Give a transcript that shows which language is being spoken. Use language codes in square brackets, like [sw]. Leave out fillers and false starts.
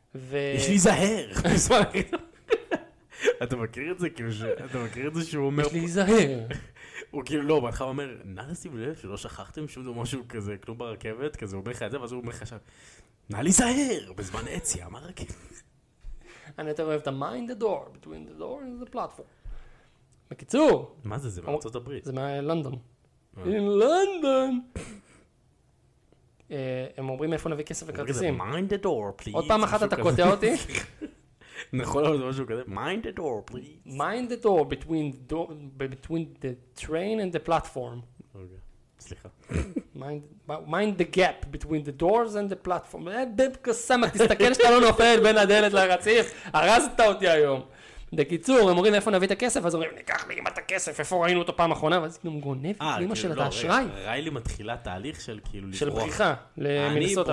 [he] יש להיזהר. אתה מכיר את זה כאילו אתה מכיר את זה שהוא אומר... יש להיזהר. הוא כאילו לא, בהתחלה הוא אומר, נא לשים לב שלא שכחתם שום דבר משהו כזה, כאילו ברכבת, כזה הוא אומר לך את זה, ואז הוא אומר לך עכשיו, נא להיזהר, בזמן עצי, אמר הרכבת. אני יותר אוהב את ה- [en] mind the door, between the door and the platform. [he] בקיצור. מה זה, זה מארצות הברית? זה מלונדון. [en] In London! [he] הם אומרים איפה נביא כסף וכרטיסים. [en] mind the door, please. [he] עוד פעם אחת אתה קוטע אותי. נכון, אבל זה משהו כזה. [en] Mind the door, please. Mind the door between the train and the platform. [he] סליחה. [en] Mind the gap between the doors and the platform. [he] בקסמה, תסתכל שאתה לא נופל בין הדלת לרציף. הרזת אותי היום. בקיצור, הם אומרים, איפה נביא את הכסף? אז אומרים, ניקח לי אמא את הכסף, איפה ראינו אותו פעם אחרונה? ואז כאילו גונב את אמא של את האשראי. ריילי מתחילה תהליך של כאילו לברוח. של בריחה למינסוטה.